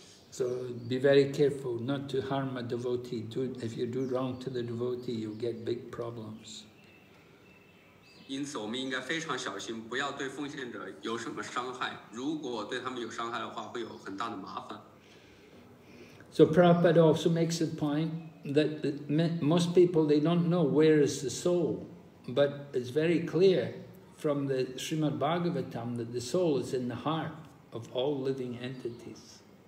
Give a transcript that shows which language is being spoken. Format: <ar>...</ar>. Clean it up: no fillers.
<en>So be very careful not to harm a devotee. If you do wrong to the devotee, you'll get big problems.</en> <zh>因此我们应该非常小心，不要对奉献者有什么伤害。如果对他们有伤害的话，会有很大的麻烦。</zh> <en>So Prabhupada also makes a point that most people, they don't know where is the soul, but it's very clear from the Srimad Bhagavatam that the soul is in the heart of all living entities.</en>